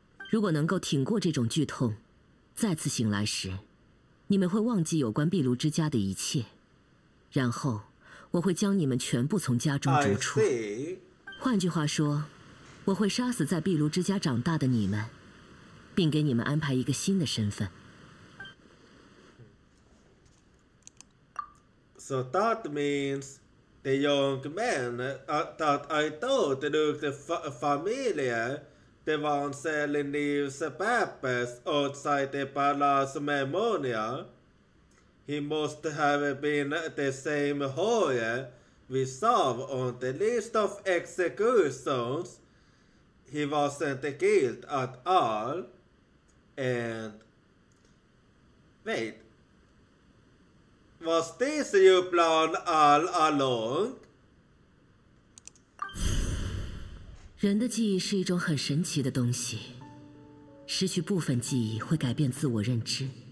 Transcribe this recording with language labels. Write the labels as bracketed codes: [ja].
[zh] 如果能够挺过这种剧痛，再次醒来时，你们会忘记有关壁炉之家的一切，然后我会将你们全部从家中逐出。换句话说，我会杀死在壁炉之家长大的你们，并给你们安排一个新的身份。 [en] So that means the young man that I thought looked familiar, the one selling leaves and papers outside the palace memorial, he must have been the same lawyer we saw on the list of executions. He wasn't guilty at all. And wait, was this your plan all along? [zh] 人的记忆是一种很神奇的东西，失去部分记忆会改变自我认知。